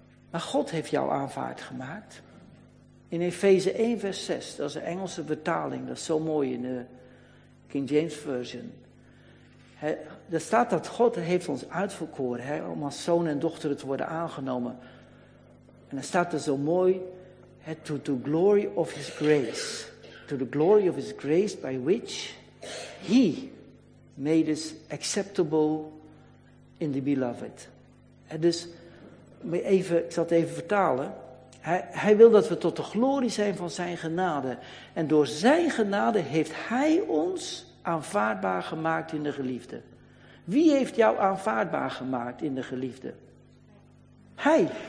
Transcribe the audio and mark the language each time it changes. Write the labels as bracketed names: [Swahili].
[Dutch] Maar God heeft jou aanvaard gemaakt. In Efeze 1 vers 6, dat is de Engelse vertaling, dat is zo mooi in de King James Version. Er staat dat God heeft ons uitverkoren om als zoon en dochter te worden aangenomen. En dan staat er zo mooi, [English] to the glory of his grace. To the glory of his grace by which he made us acceptable in the beloved. [Dutch] Dus, ik zal het even vertalen. Hij wil dat we tot de glorie zijn van zijn genade. En door zijn genade heeft hij ons aanvaardbaar gemaakt in de geliefde. Wie heeft jou aanvaardbaar gemaakt in de geliefde? Hij.